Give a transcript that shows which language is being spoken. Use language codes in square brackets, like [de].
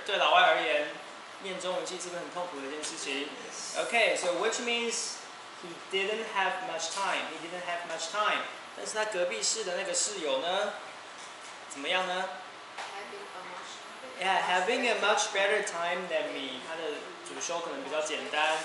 [zh] 对老外而言，念中文系是很痛苦的一件事情。 [en] Okay, so which means he didn't have much time. He didn't have much time. [zh] 但是他隔壁室的那个室友呢？怎么样呢？ [en] Having a much better time than me. [zh] 他的主修可能比较简单。